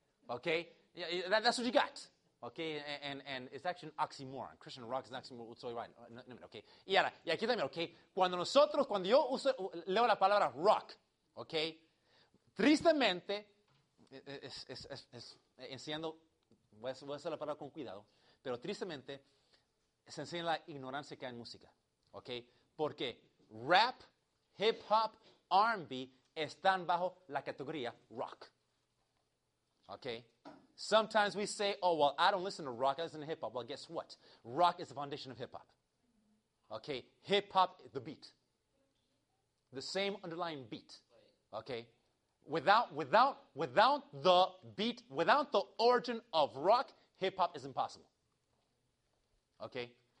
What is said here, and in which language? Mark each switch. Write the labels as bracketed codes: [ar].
[en] Okay, yeah, that's what you got. Okay, and it's actually an oxymoron. Christian rock is an oxymoron. So you're right. No, okay. [es] Y ahora, y aquí también. Okay, cuando yo uso leo la palabra rock. Okay, tristemente, es enseñando, voy a hacer la palabra con cuidado, pero tristemente se enseña la ignorancia que hay en música. Okay, porque rap, hip-hop, R&B, están bajo la categoría rock. [en] Okay? Sometimes we say, oh, well, I don't listen to rock, I listen to hip-hop. Well, guess what? Rock is the foundation of hip-hop. Okay? Hip-hop, the beat. The same underlying beat. Okay? Without the beat, without the origin of rock, hip-hop is impossible. Okay?